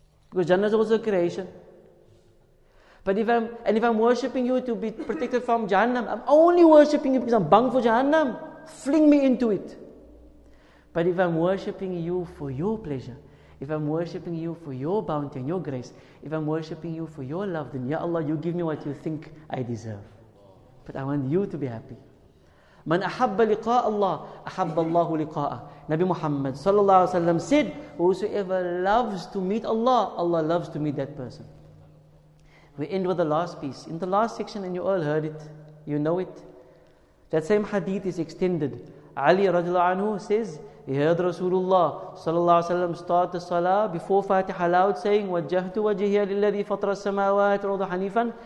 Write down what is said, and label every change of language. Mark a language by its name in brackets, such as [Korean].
[English] Because Jannah is also creation. But if I'm worshipping you to be protected from Jahannam, I'm only worshipping you because I'm bang for Jahannam, fling me into it. But if I'm worshipping you for your pleasure, if I'm worshipping you for your bounty and your grace, if I'm worshipping you for your love, then Ya Allah, you give me what you think I deserve. But I want you to be happy. [Arabic] من أحب لقاء الله أحب الله لقاءه. [English] Nabi Muhammad sallallahu alaihi wasallam said, whosoever loves to meet Allah, Allah loves to meet that person. We end with the last piece. In the last section, and you all heard it, you know it, that same hadith is extended. Ali radiallahu anhu says, he heard Rasulullah sallallahu alaihi wasallam start the salah before Fatiha loud, saying, [Arabic] وَجَّهْتُ وَجِهِيَ لِلَّذِي فَطْرَ السَّمَاوَاتِ وَالْأَرْضَ حَنِيفًا.